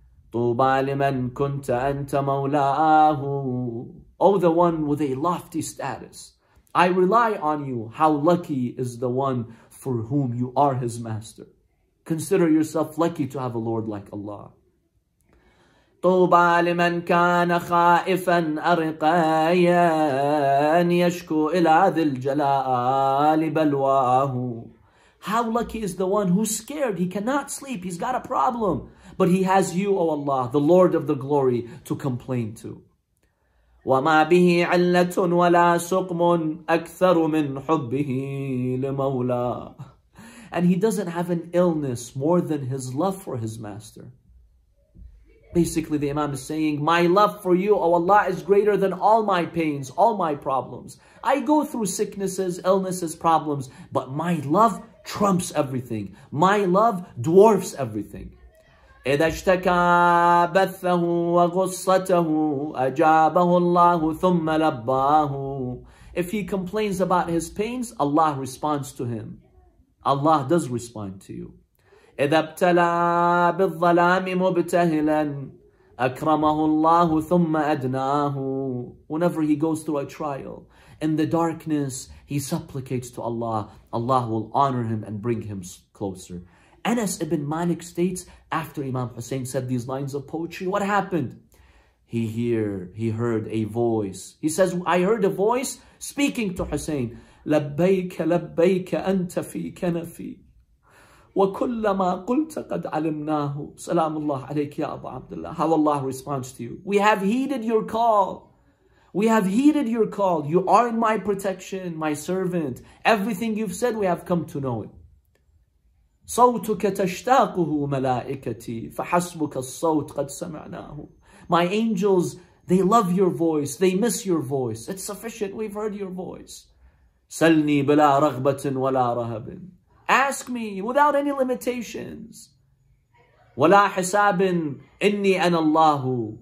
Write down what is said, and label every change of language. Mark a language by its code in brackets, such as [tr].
[ar] Tuba liman kunta anta mawlahu. [en] Oh, the one with a lofty status. I rely on you. How lucky is the one for whom you are his master. Consider yourself lucky to have a Lord like Allah. [ar] طوبى لمن كان خائفا أرقيا يشكو إلى ذي الجلال بلواه. [en] How lucky is the one who's scared. He cannot sleep. He's got a problem. But he has you, O Allah, the Lord of the glory, to complain to. [ar] وَمَا بِهِ عَلَّةٌ وَلَا سُقْمٌ أَكْثَرُ مِنْ حُبِّهِ لِمَوْلَاهُ. [en] And he doesn't have an illness more than his love for his master. Basically, the Imam is saying, my love for you, O Allah, is greater than all my pains, all my problems. I go through sicknesses, illnesses, problems, but my love trumps everything. My love dwarfs everything. [ar] إذا اشتكى بثه وغصته أجابه الله ثم لباه. [en] If he complains about his pains, Allah responds to him. Allah does respond to you. [ar] إذا ابتلى بالظلام مبتهلا أكرمه الله ثم أدناه. [en] Whenever he goes through a trial, in the darkness, he supplicates to Allah. Allah will honor him and bring him closer. Anas ibn Malik states, after Imam Hussein said these lines of poetry, what happened? He heard a voice. He says, I heard a voice speaking to Hussein. [ar] لبيك لبيك أنت في كنفي وكلما قلت قد علمناه. سلام الله عليك يا أبا عبد الله. [en] How Allah responds to you. We have heeded your call. We have heeded your call. You are in my protection, my servant. Everything you've said, we have come to know it. [ar] صوتك تشتاقه ملائكتي فحسبك الصوت قد سمعناه. [en] My angels, they love your voice. They miss your voice. It's sufficient. We've heard your voice. [ar] سلني بلا رغبة ولا رهب. [en] Ask me without any limitations. [ar] ولا حساب إني أنا الله.